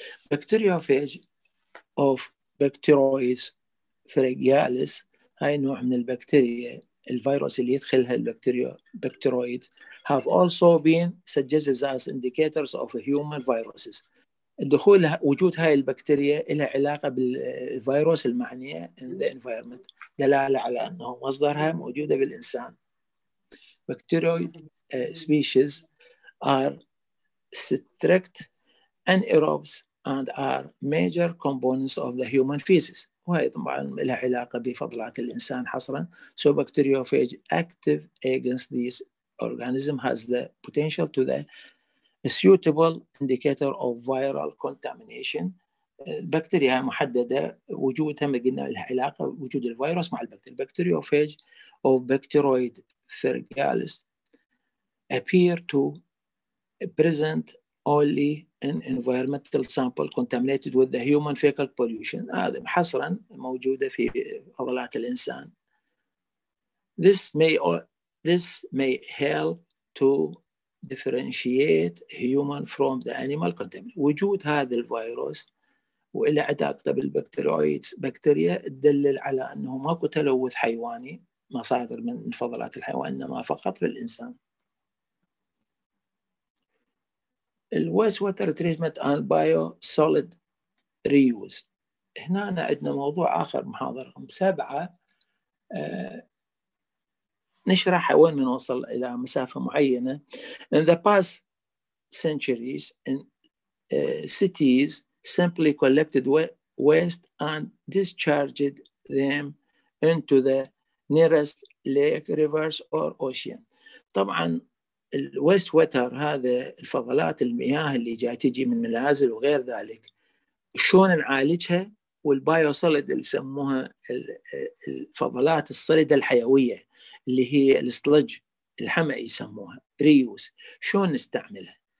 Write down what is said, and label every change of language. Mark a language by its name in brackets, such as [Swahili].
[English] bacteriophage of bacteroides fragilis, [Arabic] هاي نوع من البكتيريا الفيروس اللي يدخلها البكتيرويد، [English] have also been suggested as indicators of human viruses. [Arabic] الدخول وجود هاي البكتيريا لها علاقة بالفيروس المعنية [English] in the environment، [Arabic] دلالة على أنه مصدرها موجودة بالإنسان. [English] Bacteroid species are strict anaerobes and are major components of the human feces. [Arabic] وهي طبعاً لها علاقة بفضلات الإنسان حصراً. [English] So bacteriophage active against these organism has the potential to the a suitable indicator of viral contamination. [Arabic] البكتيريا محددة وجودها ما قلنا لها علاقة وجود الفيروس مع البكتيريا. [English] Bacteriophage of bacteroid fergalis appear to present only in environmental sample contaminated with the human fecal pollution. [Arabic] هذا حصرا موجودة في فضلات الإنسان. [English] This may help to differentiate human from the animal contaminant. [Arabic] وجود هذا الفيروس وإلى علاقة بالبكتيريويدز بكتيريا تدلل على أنه ماكو تلوث حيواني مصادر من فضلات الحيوان إنما فقط في الإنسان. [English] الويست water treatment and bio solid reuse, [Arabic] هنا عندنا موضوع آخر محاضرة رقم 7 نشرح وين بنوصل إلى مسافة معينة. [English] In the past centuries in cities simply collected waste and discharged them into the nearest lake, rivers or ocean. [Arabic] طبعا الويست ووتر هذا الفضلات المياه اللي جاي تجي من منازل وغير ذلك شلون نعالجها، والبايو سوليد اللي يسموها الفضلات الصلدة الحيوية اللي هي السلج الحمئي يسموها ريوز شلون نستعملها.